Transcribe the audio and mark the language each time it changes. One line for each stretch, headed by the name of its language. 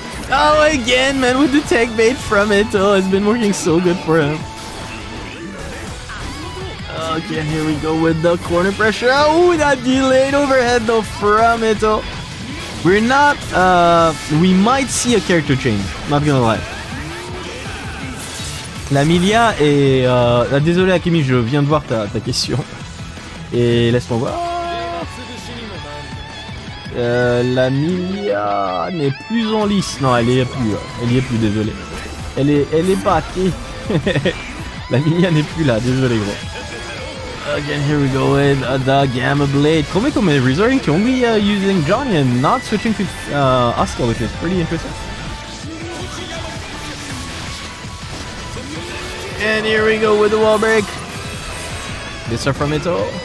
English: Oh, again, man, with the tech bait from Ito. It's been working so good for him. Okay, here we go with the corner pressure. Oh, that delayed overhead though from Ito. We're not, we might see a character change. Not gonna lie.
French: La Millia est... désolé Akemi, je viens de voir ta question. Et laisse-moi voir. La Millia n'est plus en lice. Non, elle y est plus. Elle y est plus, désolé. Elle est pas qui. La Millia n'est plus là, désolé gros.
English: Again, here we go with the Gamma Blade. Komekome resorting to only using Johnny and not switching to Asuka, which is pretty interesting. And here we go with the wall break. This is from Ito.